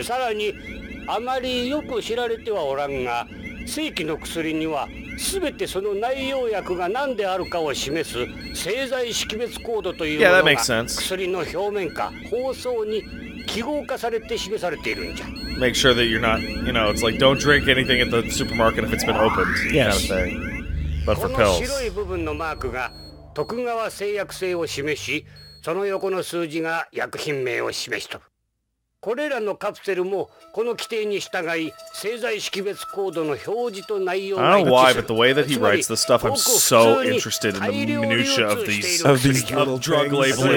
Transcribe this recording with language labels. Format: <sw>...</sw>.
<ja>さらにあまりよく知られてはおらんが、正規の薬にはすべてその内容薬が何であるかを示す製剤識別コードという薬の表面か包装に記号化されて示されているんじゃ。</ja> <en>Make sure that you're not, you know, it's like don't drink anything at the supermarket if it's been opened. Yes. Kind of thing. But for pills.</en> <ja>この白い部分のマークが 徳川製薬製を示し、その横の数字が薬品名を示しと。これらのカプセルもこの規定に従い製剤識別コードの表示と内容が一致する。</ja> <en>I don't know why, but the way that he writes this stuff, I'm so interested in the minutia of these little drug labeling.</en>